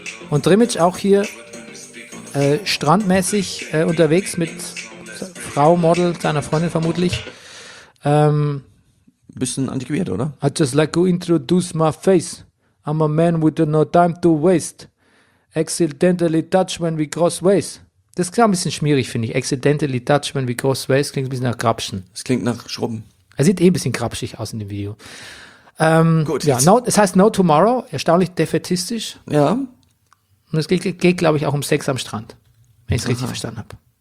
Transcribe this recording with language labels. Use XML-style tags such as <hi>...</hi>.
<de>Und Drimmitsch auch hier strandmäßig unterwegs mit Frau, Model, seiner Freundin vermutlich. Bisschen antiquiert, oder?</de> <en>I just like to introduce my face. I'm a man with no time to waste. Accidentally touch when we cross ways.</en> <de>Das klingt ein bisschen schmierig, finde ich.</de> <en>Accidentally touch when we cross ways.</en> <de>Klingt ein bisschen nach Grapschen. Es klingt nach Schrubben. Er sieht eh ein bisschen grapschig aus in dem Video. Gut. Ja, es heißt No Tomorrow. Erstaunlich defätistisch. Ja. Und es geht glaube ich, auch um Sex am Strand. Wenn ich es richtig verstanden habe.</de>